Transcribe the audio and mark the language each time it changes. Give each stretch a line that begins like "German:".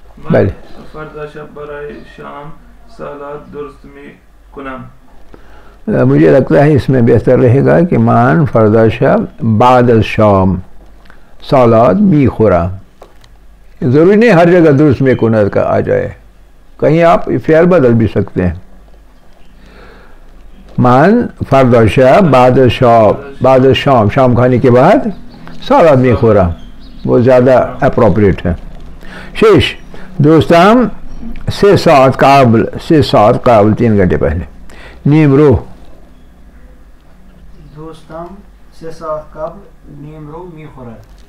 Persian: بله فردا شب برای شام سالاد درست می کنم
Urdu: مجھے لگتا ہے اس میں بہتر رہے گا کہ
Persian: من فردا شب بعد از شام سالاد می خورم
Urdu: ضروری نہیں ہر جگہ
Persian: درست می کند
Urdu: کا آ جائے کہیں آپ فعل بدل بھی سکتے ہیں من فردا شب بعد از شام شام کھانے کے بعد سالاد می خورم وہ زیادہ اپروپریٹ ہے
Persian: شش دوستم سه ساعت قبل
Urdu: تین گھنٹے پہلے
Persian: نیم رو دوستم سه ساعت قبل نیم رو می خورد